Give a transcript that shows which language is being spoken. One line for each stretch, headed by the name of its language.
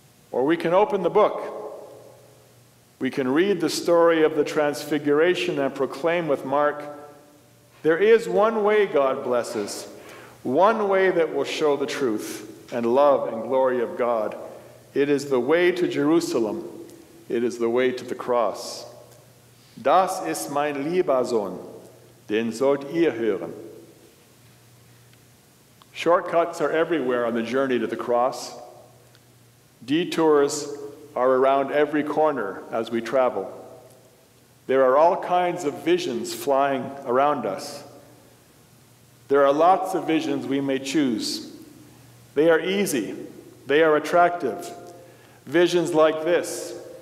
English: Or we can open the book. We can read the story of the Transfiguration and proclaim with Mark, "There is one way God blesses, one way that will show the truth and love and glory of God. It is the way to Jerusalem. It is the way to the cross.
German: Das ist mein lieber Sohn, den sollt ihr hören."
English: Shortcuts are everywhere on the journey to the cross. Detours are around every corner as we travel. There are all kinds of visions flying around us. There are lots of visions we may choose. They are easy. They are attractive. Visions like this,